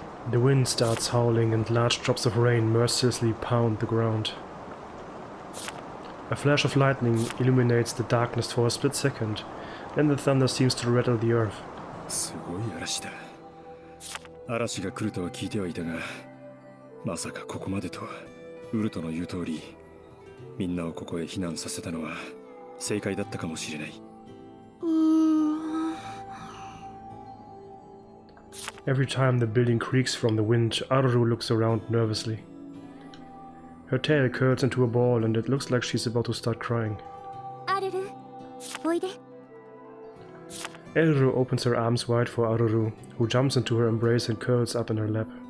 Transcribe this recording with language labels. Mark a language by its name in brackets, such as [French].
[English] The wind starts howling and large drops of rain mercilessly pound the ground. A flash of lightning illuminates the darkness for a split second, then the thunder seems to rattle the earth. [Japanese] すごい嵐だ。嵐が来るとは聞いてはいたが、まさかここまでとは。ウルトの言う通り、みんなをここへ避難させたのは正解だったかもしれない。 [English] Every time the building creaks from the wind, Aruru looks around nervously. Her tail curls into a ball and it looks like she's about to start crying. [Japanese] Aruru, oide. [English] Eruru opens her arms wide for Aruru, who jumps into her embrace and curls up in her lap.